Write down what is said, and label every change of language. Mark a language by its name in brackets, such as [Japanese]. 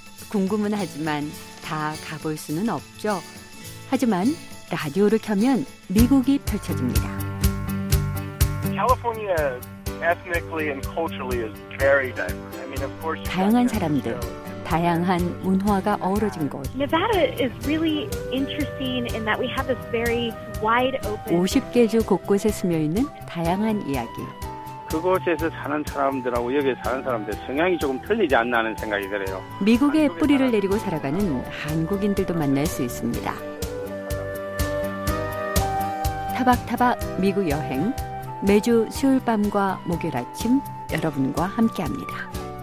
[Korean] 궁금은 하지만 다 가볼 수는 없죠. 하지만 라디오를 켜면 미국이 펼쳐집니다. [English] California ethnically and culturally is very diverse. I mean, of course, [Korean] 다양한 사람들, 다양한 문화가 어우러진 곳. [English] Nevada is really interesting in that we have this very wide open. [Korean] 50개 주 곳곳에 스며 있는 다양한 이야기. 그곳에서 사는 사람들하고 여기 사는 사람들 성향이 조금 틀리지 않나 하는 생각이 들어요. 미국의 뿌리를 내리고 살아가는 한국인들도 만날 수 있습니다. 타박타박 미국 여행, 매주 수요일 밤과 목요일 아침 여러분과 함께합니다.